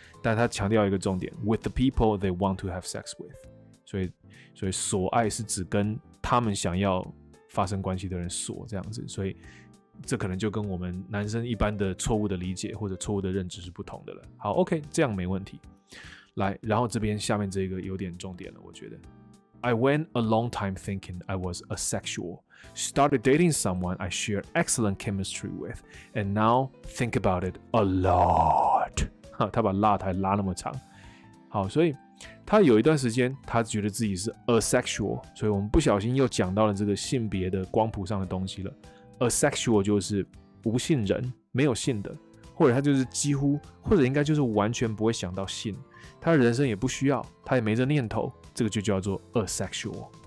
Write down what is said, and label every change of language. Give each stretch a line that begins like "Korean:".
Chinese: 但他强调一个重点 ，
English: with the people they want to have sex with，
Chinese: 所以锁爱是指跟他们想要发生关系的人锁这样子。所以这可能就跟我们男生一般的错误的理解或者错误的认知是不同的了。好 ，OK， 这样没问题。来，然后这边下面这个有点重点了，我觉得。
English: I went a long time thinking I was asexual. Started dating someone I share excellent chemistry with, and now think about it a lot.
Chinese: 他把 lot 还拉那么长。好，所以他有一段时间他觉得自己是 asexual， 所以我们不小心又讲到了这个性别的光谱上的东西了。 Asexual 就是无性人，没有性的。或者他就是几乎，或者应该就是完全不会想到性，他的人生也不需要，他也没这念头，这个就叫做 asexual。